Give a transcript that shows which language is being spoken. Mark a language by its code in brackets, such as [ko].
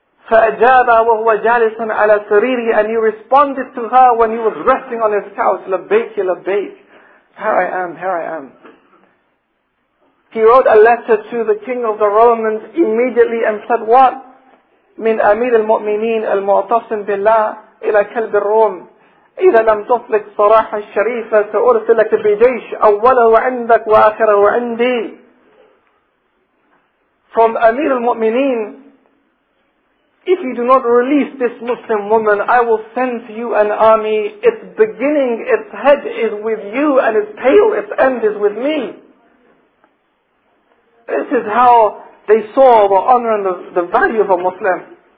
[ar] فَأَجَابَ وَهُوَ جَالِسٌ عَلَى سَرِيرِ. [en] And he responded to her when he was resting on his couch, [ar] لَبَّيْكِ لَبَّيْكِ. [en] Here I am, here I am. He wrote a letter to the King of the Romans immediately and said, What? [ar] مِنْ أَمِيرِ الْمُؤْمِنِينَ الْمُعْتَصِمْ بِاللَّهِ إِلَى كَلْبِ الرُّومِ. إذا لم تطلق صراح الشريفة سأرسلك بجيش أوله عندك وآخره عندي. [en] From Amir al-Mu'mineen, if you do not release this Muslim woman, I will send to you an army. Its beginning, its head is with you, and its tail, its end is with me. This is how they saw the honor and the value of a Muslim.